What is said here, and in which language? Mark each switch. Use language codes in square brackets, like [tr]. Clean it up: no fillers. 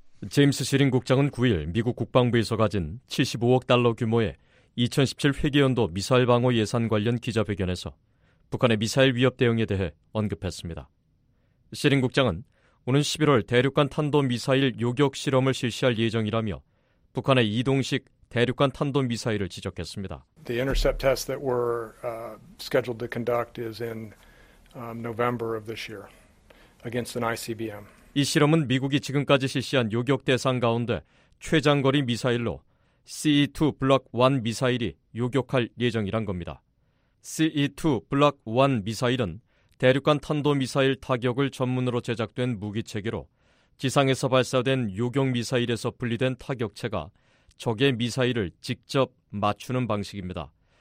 [ko] 제임스 시링 국장은 9일 미국 국방부에서 가진 75억 달러 규모의 2017 회계연도 미사일 방어 예산 관련 기자회견에서 북한의 미사일 위협 대응에 대해 언급했습니다. 시린 국장은 오는 11월 대륙간 탄도미사일 요격 실험을 실시할 예정이라며 북한의 이동식 대륙간 탄도미사일을 지적했습니다. [en] The intercept test that we're scheduled to conduct is in November of this year against an ICBM. [ko] 이 실험은 미국이 지금까지 실시한 요격 대상 가운데 최장거리 미사일로 CE-2 블록 1 미사일이 요격할 예정이란 겁니다. CE-2 블록 1 미사일은 대륙간 탄도미사일 타격을 전문으로 제작된 무기체계로 지상에서 발사된 요격미사일에서 분리된 타격체가 적의 미사일을 직접 맞추는 방식입니다.